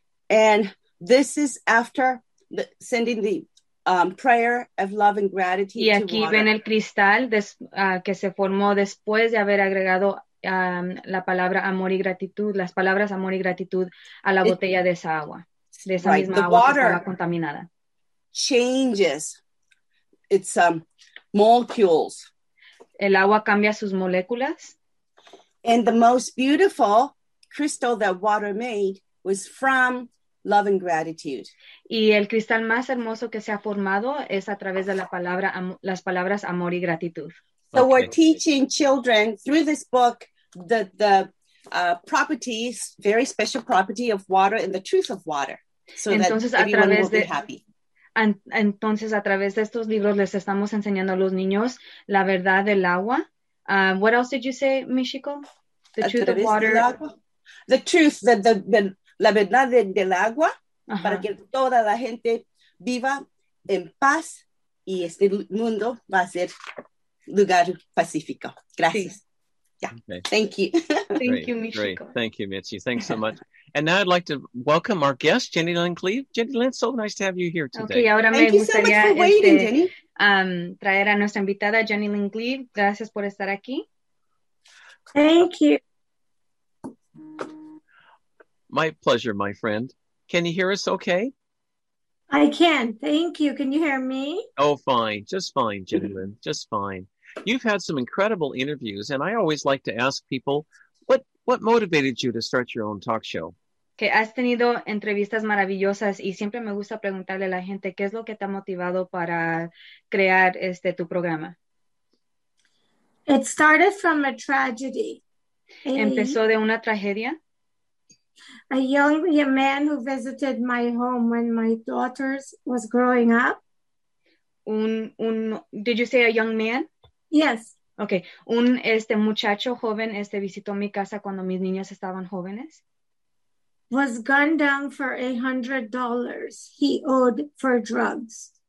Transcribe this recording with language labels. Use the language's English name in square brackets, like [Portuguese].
[English] And this is after sending the prayer of love and gratitude. [Spanish] Y aquí [English] to [Spanish] ven el cristal que se formó después de haber agregado la palabra amor y gratitud, las palabras amor y gratitud a la botella de esa agua, de esa [English] right, [Spanish] misma agua que estaba contaminada. [English] Changes its molecules. [Spanish] El agua cambia sus moléculas. [English] And the most beautiful crystal that water made was from love and gratitude. [Spanish] Y el cristal más hermoso que se ha formado es a través de las palabras amor y gratitud. [English] So okay. We're teaching children through this book the properties, very special property of water and the truth of water. So [Spanish] entonces, [English] that everyone will be happy. [Spanish] Entonces, a través de estos libros les estamos enseñando a los niños la verdad del agua. [English] What else did you say, Michiko? The truth of water. [Spanish] The truth, la verdad del agua, uh-huh. Para que toda la gente viva en paz y este mundo va a ser lugar pacífico. [English] Gracias. Sí. Yeah. Okay. Thank you. Thank you, Michiko. Great. Thank you, Mitzi. Thanks so much. And now I'd like to welcome our guest, Jenny Lynn Cleave. Jenny Lynn, so nice to have you here today. [Spanish] Okay, ahora [English] thank [Spanish] me [English] you [Spanish] gustaría [English] so much for waiting, Jenny. [Spanish] Traer a nuestra invitada, Jenny Lynn Cleave. Gracias por estar aquí. [English] Thank you. My pleasure, my friend. Can you hear us okay? I can. Thank you. Can you hear me? Oh, fine. Just fine, Jenny Lynn. Just fine. You've had some incredible interviews, and I always like to ask people, what motivated you to start your own talk show? [Spanish] Que has tenido entrevistas maravillosas, y siempre me gusta preguntarle a la gente, ¿qué es lo que te ha motivado para crear este tu programa? [English] It started from a tragedy. [Spanish] Empezó de una tragedia. [English] A young man who visited my home when my daughter was growing up. Did you say a young man? Yes. Okay. [Spanish] Muchacho joven visitó mi casa cuando mis niñas estaban jóvenes. [English] Was gunned down for $100 he owed for drugs.